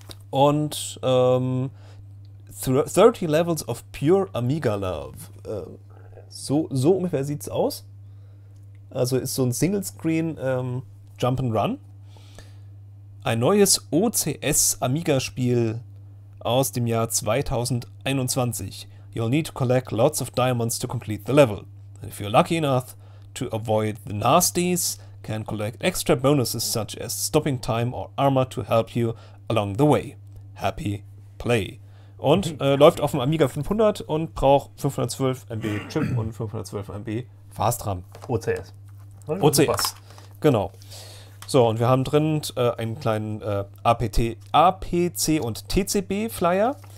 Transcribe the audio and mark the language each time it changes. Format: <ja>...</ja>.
<en>Und 30 Levels of Pure Amiga Love.</en> <de>So ungefähr sieht's aus. Also ist so ein Single-Screen Jump'n'Run. Ein neues OCS-Amiga-Spiel aus dem Jahr 2021.</de> <en>You'll need to collect lots of diamonds to complete the level. And if you're lucky enough to avoid the nasties, can collect extra bonuses such as stopping time or armor to help you along the way. Happy play.</en> <de>Und läuft auf dem Amiga 500 und braucht 512 MB Chip und 512 MB Fastram. OCS. OCS. Super. Genau. So, und wir haben drin einen kleinen APC und TCB Flyer.</de>